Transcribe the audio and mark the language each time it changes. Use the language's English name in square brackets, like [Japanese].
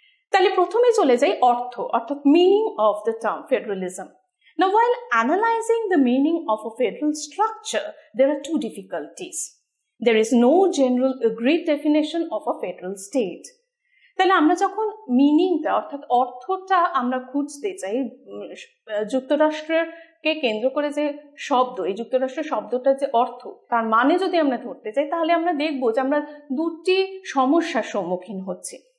[Bangla] তাহলে প্রথমে চলে যাই অর্থ, অর্থাৎ [English] Meaning of the term federalism. Now, while analyzing the meaning of a federal structure, there are two difficulties. There is no general agreed definition of a federal state. [Bangla] তাহলে আমরা যখন মিনিংটা অর্থাৎ অর্থটা আমরা খুঁজতে চাই যুক্তরাষ্ট্রকে কেন্দ্র করে যে শব্দ, এই যুক্তরাষ্ট্রের শব্দটা যে অর্থ তার মানে যদি আমরা ধরতে চাই, তাহলে আমরা দেখব যে আমরা দুটি সমস্যার সম্মুখীন হচ্ছি।